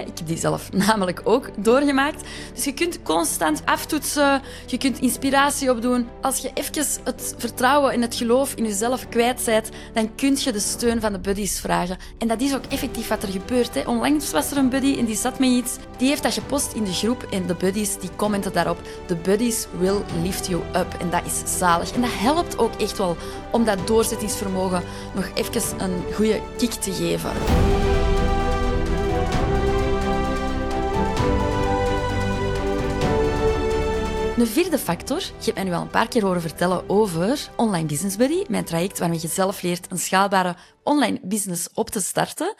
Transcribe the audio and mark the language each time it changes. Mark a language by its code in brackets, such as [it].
[nl] Ik heb die zelf namelijk ook doorgemaakt. Dus je kunt constant aftoetsen. Je kunt inspiratie opdoen. Als je even het vertrouwen en het geloof in jezelf kwijt bent, dan kun je de steun van de buddies vragen. En dat is ook effectief wat er gebeurt, hè. Onlangs was er een buddy en die zat met iets. Die heeft dat gepost in de groep en de buddies die commenten daarop. [en] The buddies will lift you up. [nl] En dat is zalig. En dat helpt ook echt wel om dat doorzettingsvermogen nog even een goede kick te geven. Een vierde factor, je hebt mij nu al een paar keer horen vertellen over Online Business Buddy, mijn traject waarmee je zelf leert een schaalbare online business op te starten.